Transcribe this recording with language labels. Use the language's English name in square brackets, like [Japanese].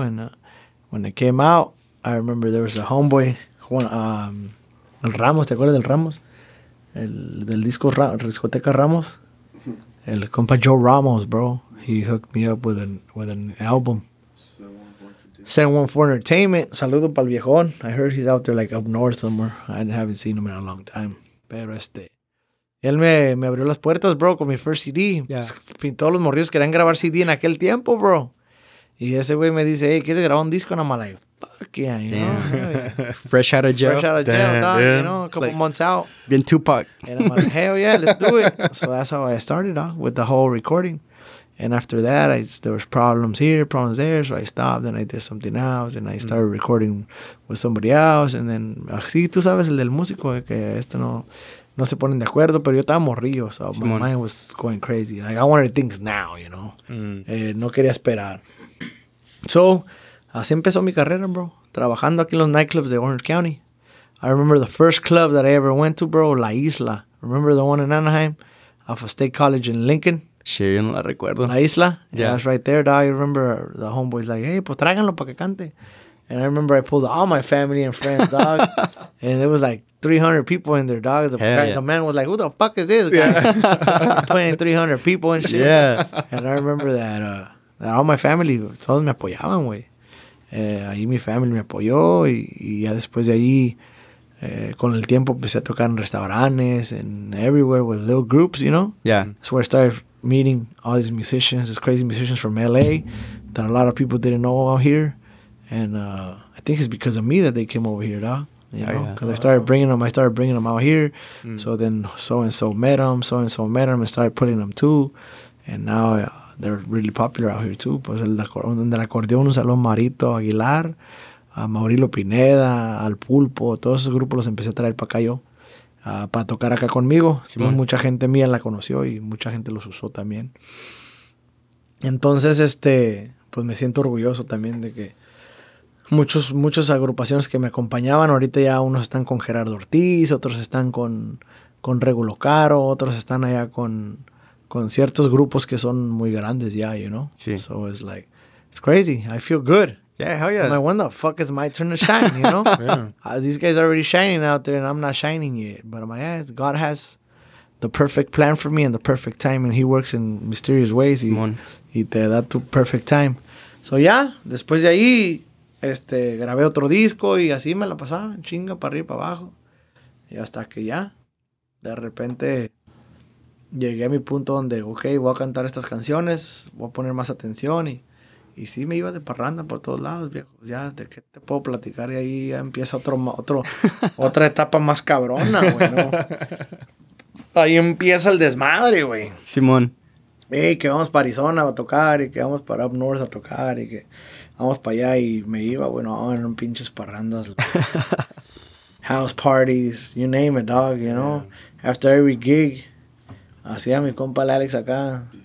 [English] And when it came out, I remember there was a homeboy, Juan, El Ramos, [Spanish] ¿te acuerdas del Ramos? Del disco Riscoteca Ramos. El compa Joe Ramos, bro. [English] He hooked me up with an album. Send one for Entertainment. [Spanish] Saludo pa'l viejón. [English] I heard he's out there like up north somewhere. I haven't seen him in a long time. [Spanish] Pero él me abrió las puertas, bro, con mi [English] first CD. Yeah. [Spanish] Todos los morrillos querían grabar CD en aquel tiempo, bro. Y ese güey me dice, hey, ¿quieres grabar un disco? [English] And I'm like, fuck yeah, you know? Fresh out of jail. Fresh out of jail, dog, you know, a couple like, months out. [Spanish] Bien Tupac. [English] And I'm like, hell yeah, let's do it. So that's how I started, dog, with the whole recording. And after that, there was problems here, problems there. So I stopped and I did something else. And I started recording with somebody else. And then, [Spanish] así, tú sabes, el del músico, que esto no... No se ponen de acuerdo, pero yo estaba morrillo, [English] so my mind was going crazy. Like, I wanted things now, you know. [Spanish] No quería esperar. So, así empezó mi carrera, bro. Trabajando aquí en los nightclubs de Orange County. [English] I remember the first club that I ever went to, bro, La Isla. Remember the one in Anaheim? Off of State College in Lincoln. [Spanish] Sí, yo no la recuerdo. [English] La Isla. Yeah. That's right there, dog. I remember the homeboys like, hey, [Spanish] pues tráiganlo para que cante. [English] And I remember I pulled all my family and friends, dog. And there was like 300 people in there, dog. The man was like, who the fuck is this guy? Yeah. Playing 300 people and shit. Yeah. And I remember that all my family, [Spanish] todos me apoyaban, güey. Ahí mi family me apoyó. Y ya después de ahí, con el tiempo, empecé a tocar en restaurantes [English] and everywhere with little groups, you know? Yeah. That's where I started meeting all these musicians, these crazy musicians from L.A. that a lot of people didn't know out here. And I think it's because of me that they came over here, dog. Because I started bringing them. I started bringing them out here. Mm. So then so-and-so met them and started putting them too. And now they're really popular out here too. [Spanish] Pues el acordeón, un saludo a Marito Aguilar, a Maurilo Pineda, al Pulpo. Todos esos grupos los empecé a traer para acá yo, para tocar acá conmigo. Simón. Mucha gente mía la conoció y mucha gente los usó también. Entonces, pues me siento orgulloso también de que muchas agrupaciones que me acompañaban, ahorita ya unos están con Gerardo Ortiz, otros están con Regulo Caro, otros están allá con ciertos grupos que son muy grandes ya, you know? Sí. [English] So it's like, it's crazy. I feel good. Yeah, hell yeah. I'm like, when the fuck is my turn to shine, you know? Yeah. These guys are already shining out there and I'm not shining yet. But I'm like, yeah, God has the perfect plan for me and the perfect time and he works in mysterious ways. [Spanish] Y te da tu [English] perfect time. [Spanish] So yeah, después de ahí... grabé otro disco y así me la pasaba, chinga, para arriba y para abajo. Y hasta que ya, de repente, llegué a mi punto donde, ok, voy a cantar estas canciones, voy a poner más atención. Y sí, me iba de parranda por todos lados, viejo. Ya, ¿de qué te puedo platicar? Y ahí ya empieza otra etapa más cabrona, güey, ¿no? ahí empieza el desmadre, güey. Simón. Ey, que vamos para Arizona a tocar y que vamos para [English] up north [Spanish] a tocar y que vamos para allá. Y me iba, güey, no, en un pinches parrandas. [English] House parties, you name it, dog, you know. Yeah. After every gig, [Spanish] hacía mi compa el Alex acá.